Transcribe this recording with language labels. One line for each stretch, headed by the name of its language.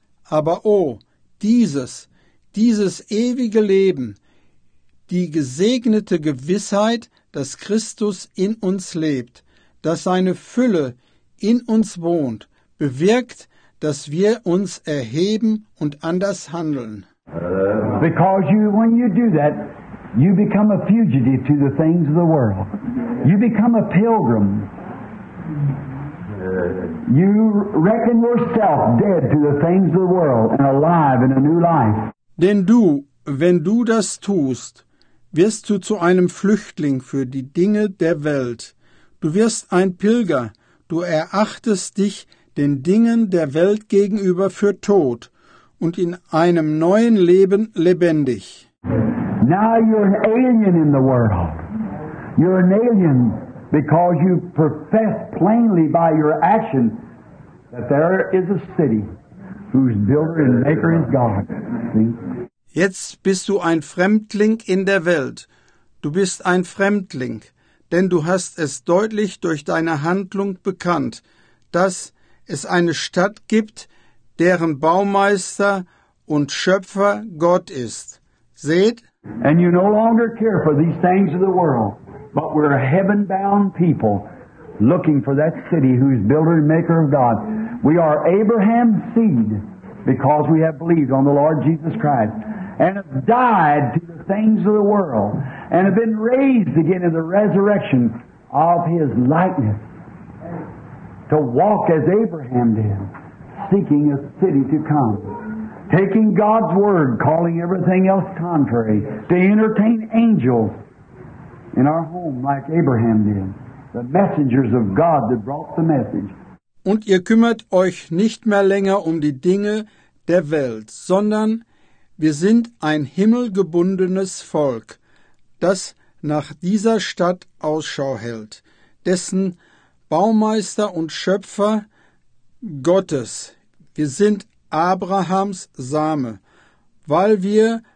German: Aber oh, dieses ewige Leben, die gesegnete Gewissheit, dass Christus in uns lebt, dass seine Fülle in uns wohnt, bewirkt, dass wir uns erheben und anders handeln.
English: Because you, when you do that, you become a fugitive to the things of the world. You become a pilgrim. You reckon yourself dead to the things of the world and alive in a new life.
German: Denn du, wenn du das tust, wirst du zu einem Flüchtling für die Dinge der Welt. Du wirst ein Pilger. Du erachtest dich den Dingen der Welt gegenüber für tot und in einem neuen Leben lebendig.
English: Now you're an alien in the world. You're an alien. Because you profess plainly by your action that there is a city whose builder and maker is God. See?
German: Jetzt bist du ein Fremdling in der Welt. Du bist ein Fremdling, denn du hast es deutlich durch deine Handlung bekannt, dass es eine Stadt gibt, deren Baumeister und Schöpfer Gott ist. Seht?
English: And you no longer care for these things of the world. But we're a heaven-bound people looking for that city whose builder and maker of God. We are Abraham's seed because we have believed on the Lord Jesus Christ and have died to the things of the world and have been raised again in the resurrection of his likeness to walk as Abraham did, seeking a city to come, taking God's word, calling everything else contrary, to entertain angels in our home, like Abraham did, the messengers of God that brought the message.
German: Und ihr kümmert euch nicht mehr länger um die Dinge der Welt, sondern wir sind ein himmelgebundenes Volk, das nach dieser Stadt Ausschau hält, dessen Baumeister und Schöpfer Gottes. Wir sind Abrahams Same, weil wir